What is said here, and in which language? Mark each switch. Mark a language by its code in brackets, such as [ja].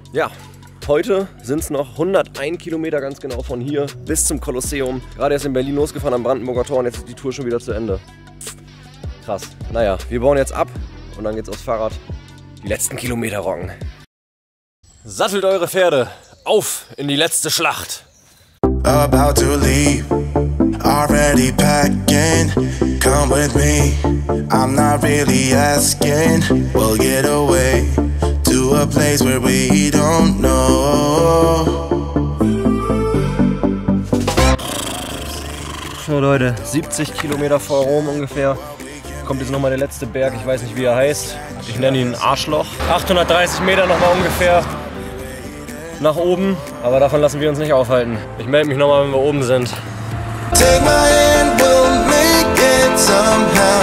[de] Ja, heute sind es noch 101 Kilometer ganz genau von hier bis zum Kolosseum. Gerade erst in Berlin losgefahren am Brandenburger Tor und jetzt ist die Tour schon wieder zu Ende. Krass. Naja, wir bauen jetzt ab und dann geht's aufs Fahrrad. Die letzten Kilometer rocken. Sattelt eure Pferde, auf in die letzte Schlacht. [en] About to leave. Already packing, come with me. I'm not really asking. We'll get away to a place where we don't know. [de] Scheiße. so, Leute, 70 Kilometer vor Rom ungefähr, kommt jetzt nochmal der letzte Berg, ich weiß nicht, wie er heißt. Ich nenne ihn Arschloch. 830 Meter nochmal ungefähr nach oben, aber davon lassen wir uns nicht aufhalten. Ich melde mich nochmal, wenn wir oben sind. [en] Take my hand, we'll make it somehow.